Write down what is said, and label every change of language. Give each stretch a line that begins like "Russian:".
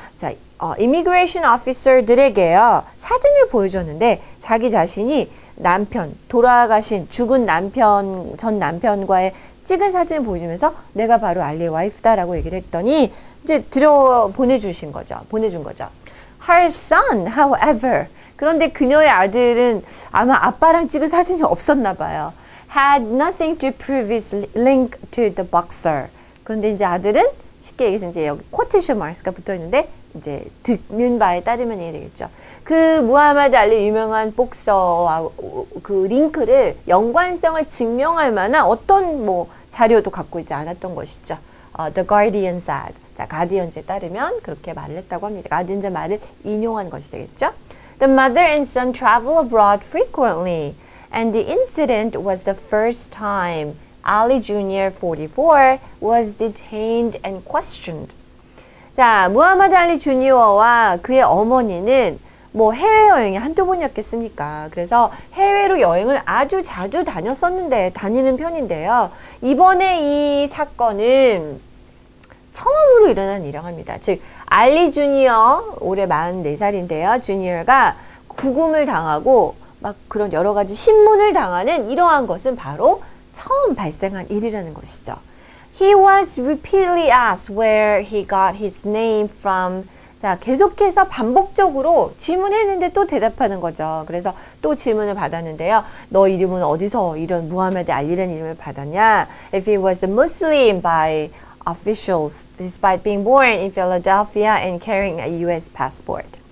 Korean: 자, immigration officer들에게요 사진을 보여줬는데 자기 자신이 남편 돌아가신 죽은 남편 전 남편과의 찍은 사진을 보여주면서 내가 바로 알리의 와이프다라고 얘기를 했더니 이제 보내준 거죠.
English: Her son, however.
Korean: 그런데 그녀의 아들은 아마 아빠랑 찍은 사진이 없었나 봐요.
English: Had nothing to prove his link to the boxer.
Korean: 그런데 이제 아들은 쉽게 얘기해서 이제 여기 quotation marks가 붙어있는데 이제 듣는 바에 따르면 이해되겠죠. 그 무하마드 알리 유명한 복서와 그 링크를 연관성을 증명할 만한 어떤 뭐 자료도 갖고 있지 않았던 것이죠.
English: The Guardian said.
Korean: 자, 가디언즈에 따르면 그렇게 말을 했다고 합니다. 가디언즈 말을 인용한 것이 되겠죠.
English: The mother and son travel abroad frequently. And the incident was the first time Ali Jr. 44 was detained and questioned.
Korean: 자, 무하마드 알리 주니어와 그의 어머니는 뭐 해외여행이 한두 번이었겠습니까? 그래서 해외로 여행을 아주 자주 다녔었는데, 다니는 편인데요. 이번에 이 사건은 처음으로 일어난 일이라고 합니다. 즉, 알리 주니어, 올해 44살인데요. 주니어가 구금을 당하고 막 그런 여러 가지 신문을 당하는 이러한 것은 바로 처음 발생한 일이라는 것이죠.
English: He was repeatedly asked where he got his name from.
Korean: 자, 계속해서 반복적으로 질문했는데 또 대답하는 거죠. 그래서 또 질문을 받았는데요. 너 이름은 어디서 이런 무하마드 알리라는 이름을 받았냐?
English: If he was a Muslim by officials despite being born in Philadelphia and carrying a US passport.